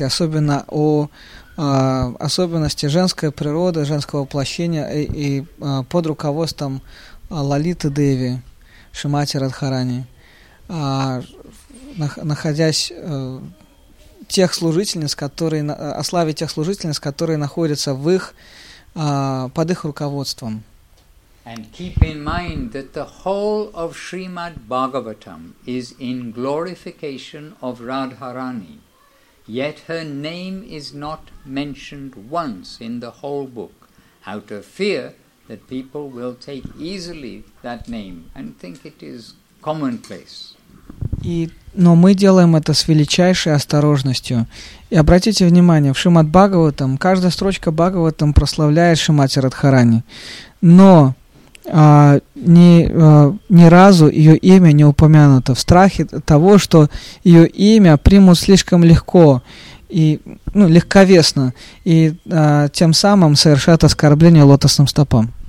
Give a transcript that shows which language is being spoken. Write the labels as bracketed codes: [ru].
[ru] И особенно о особенности женской природы, женского воплощения и под руководством Лалиты Деви, Шимати Радхарани, находясь тех служительниц, которые о славе тех служительниц, которые находятся в их, под их руководством. [en] And keep in mind that the whole of Srimad Bhagavatam is in glorification of Radharani, yet her name is not mentioned once in the whole book, out of fear that people will take easily that name and think it is commonplace. [ru] Но мы делаем это с величайшей осторожностью. И обратите внимание, в Шримад Бхагаватам каждая строчка Бхагаватам прославляет Шримати Радхарани, но ни разу ее имя не упомянуто в страхе того, что ее имя примут слишком легко и легковесно, и тем самым совершат оскорбление лотосным стопам.